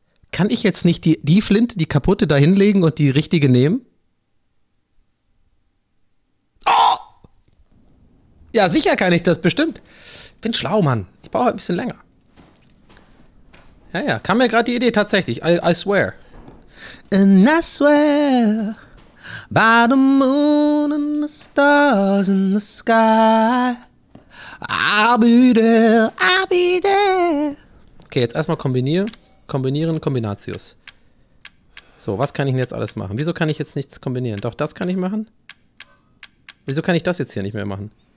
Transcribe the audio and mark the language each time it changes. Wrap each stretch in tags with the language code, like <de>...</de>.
<de>Kann ich jetzt nicht die Flinte, die kaputte, da hinlegen und die richtige nehmen? Oh! Ja, sicher kann ich das, bestimmt. Ich bin schlau, Mann. Ich brauche ein bisschen länger. Ja, ja, kam mir gerade die Idee, tatsächlich.</de> <en>I swear. And I swear by the moon and the stars in the sky I'll be there, I'll be there.</en> <de>Okay, jetzt erstmal kombinieren, Kombinatius. So, was kann ich denn jetzt alles machen? Wieso kann ich jetzt nichts kombinieren? Doch, das kann ich machen. Wieso kann ich das jetzt hier nicht mehr machen?</de>